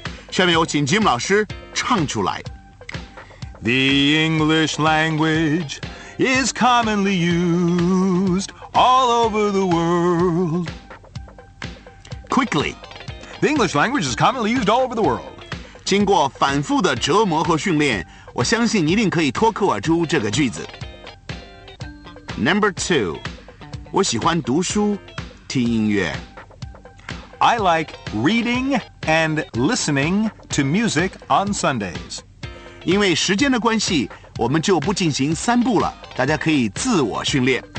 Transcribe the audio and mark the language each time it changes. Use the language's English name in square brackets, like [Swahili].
[Chinese] 下面有请 Jim 老师唱出来。 [English] The English language is commonly used all over the world. Quickly. The English language is commonly used all over the world. [Chinese] 经过反复的折磨和训练，我相信你一定可以脱口而出这个句子。 [English] Number two, [Chinese] 我喜欢读书，听音乐。 [English] I like reading and listening to music on Sundays. [Chinese] 因为时间的关系，我们就不进行三步了，大家可以自我训练。